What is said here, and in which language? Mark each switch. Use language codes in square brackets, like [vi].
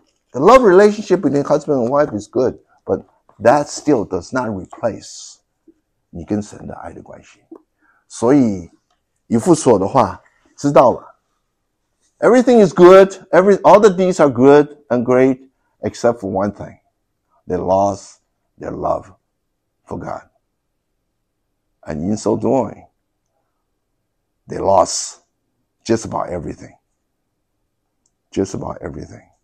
[en] The love relationship between husband and wife is good, but that still does not replace [zh] 你跟神的爱的关系。所以以弗所的话知道了。 [en] Everything is good, all the deeds are good and great, except for one thing. They lost their love for God. And in so doing, they lostJust about everything. Just about everything.